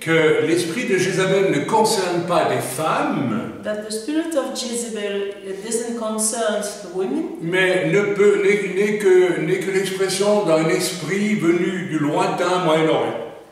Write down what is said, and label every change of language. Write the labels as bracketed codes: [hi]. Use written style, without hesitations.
[fr] que l'esprit de Jézabel ne concerne pas les femmes, [en] that the spirit of Jezebel doesn't concern the women, [fr] mais n'est que l'expression d'un esprit venu du lointain Moyen-Orient.